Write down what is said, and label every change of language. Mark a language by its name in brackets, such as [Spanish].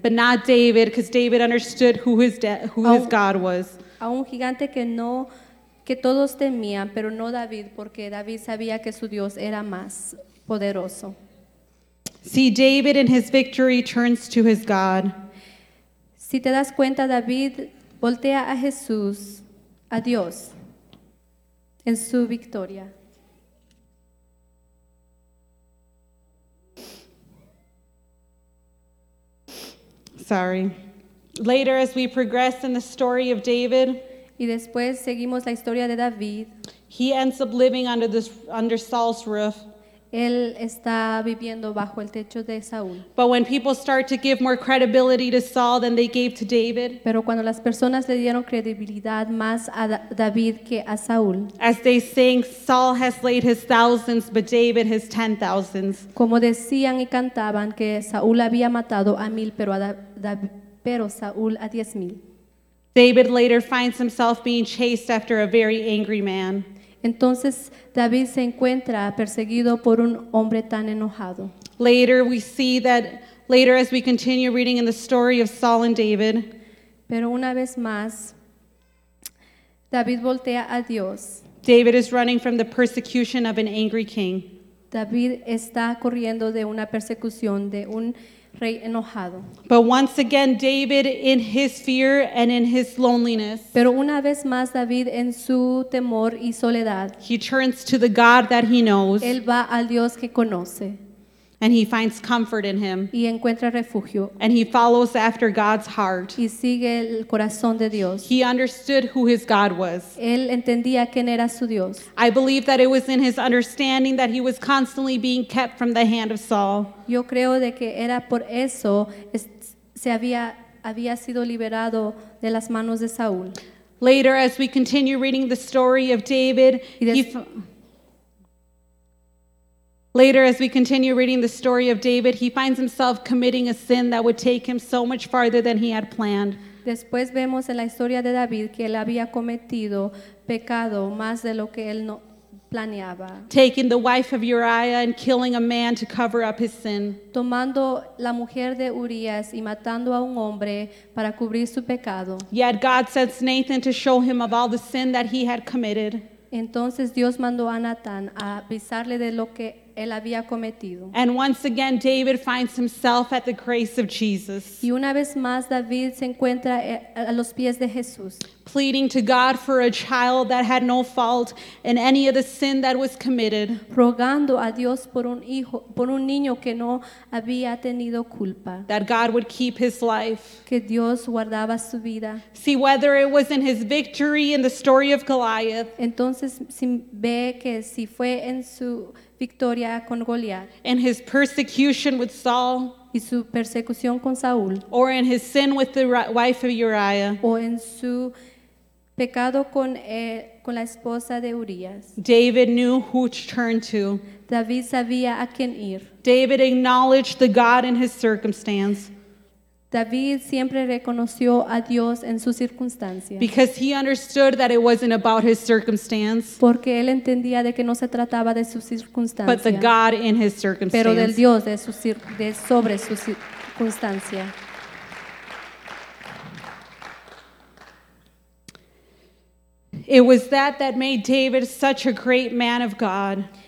[English] But not David, because David understood who his God was. [Spanish] A un gigante que no, que todos temían, pero no David, porque David sabía que su Dios era más poderoso. [English] See, David in his victory turns to his God. [Spanish] Si te das cuenta, David voltea a Jesús, a Dios, en su victoria. [English] Sorry. Later, as we progress in the story of David, [Spanish] y después seguimos la historia de David, [English] he ends up living under Saul's roof. [Spanish] Él está viviendo bajo el techo de Saúl. [English] But when people start to give more credibility to Saul than they gave to David, [Spanish] pero cuando las personas le dieron credibilidad más a David que a Saúl, [English] as they sing, Saul has laid his thousands, but David his 10,000s. [Spanish] Como decían y cantaban que Saúl había matado a 1,000, pero Saúl a 10,000. [English] David later finds himself being chased after a very angry man. [Spanish] Entonces David se encuentra perseguido por un hombre tan enojado. [English] Later we see that later as we continue reading in the story of Saul and David. [Spanish] Pero una vez más David voltea a Dios. [English] David is running from the persecution of an angry king. [Spanish] David está corriendo de una persecución de un rey enojado. [English] But once again, David, in his fear and in his loneliness, [Spanish] pero una vez más David en su temor y soledad, [English] he turns to the God that he knows. [Spanish] Él va al Dios que conoce. [English] And he finds comfort in him. [Spanish] Y encuentra refugio. [English] And he follows after God's heart. [Spanish] Y sigue el corazón de Dios. [English] He understood who his God was. [Spanish] Él entendía quién era su Dios. [English] I believe that it was in his understanding that he was constantly being kept from the hand of Saul. [Spanish] Yo creo de que era por eso se había sido liberado de las manos de Saúl. [English] Later, as we continue reading the story of David, later, as we continue reading the story of David, he finds himself committing a sin that would take him so much farther than he had planned. [Spanish] Después vemos en la historia de David que él había cometido pecado más de lo que él no planeaba. [English] Taking the wife of Uriah and killing a man to cover up his sin. [Spanish] Tomando la mujer de Urias y matando a un hombre para cubrir su pecado. [English] Yet God sends Nathan to show him of all the sin that he had committed. [Spanish] Entonces Dios mandó a Natán a avisarle de lo que él había cometido. [English] And once again, David finds himself at the grace of Jesus. [Spanish] Y una vez más, David se encuentra a los pies de Jesús. [English] Pleading to God for a child that had no fault in any of the sin that was committed. [Spanish] Rogando a Dios por un hijo, por un niño que no había tenido culpa. [English] That God would keep his life. [Spanish] Que Dios guardaba su vida. [English] See, whether it was in his victory in the story of Goliath. [Spanish] Entonces, si ve que si fue en su victoria con Goliath, [English] in his persecution with Saul, [Spanish] y su persecución con Saúl, [English] or in his sin with the wife of Uriah, [Spanish] o en su pecado con la esposa de Urias, [English] David knew who to turn to. [Spanish] David sabía a quién ir. [English] David acknowledged the God in his circumstance. [Spanish] David siempre reconoció a Dios en su circunstancia. [English] Because he understood that it wasn't about his circumstance. [Spanish] Porque él entendía de que no se trataba de su circunstancia. [English] But the God in his circumstance. [Spanish] Pero del Dios de su de sobre su circunstancia. [English] It was that made David such a great man of God.